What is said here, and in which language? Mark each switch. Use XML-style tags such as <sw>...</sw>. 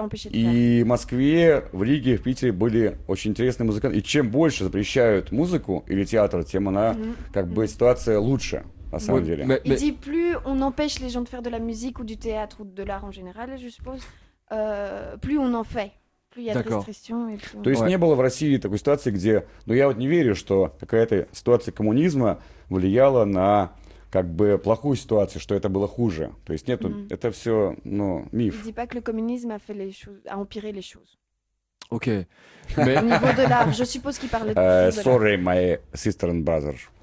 <ru>И в Москве, в Риге, в Питере были очень интересные музыканты. И чем больше запрещают музыку или театр, тем она, как бы, ситуация лучше. На самом деле. И чем</ru> <fr>plus on empêche les gens de faire de la musique ou du théâtre ou de l'art en général, je suppose, plus on en fait. D'accord.</fr> <ru>То есть не было в России такой ситуации, где, ну я вот не верю, что какая-то ситуация коммунизма влияла на как бы плохую ситуацию, что это было хуже. То есть нету, это все, ну, миф.</ru> <fr>Dis pas que le communisme a fait les choses, a empiré les choses. Ok. Au niveau de l'art, je suppose qu'il parle de.</fr> <en>Sorry, my sister and brother.</en>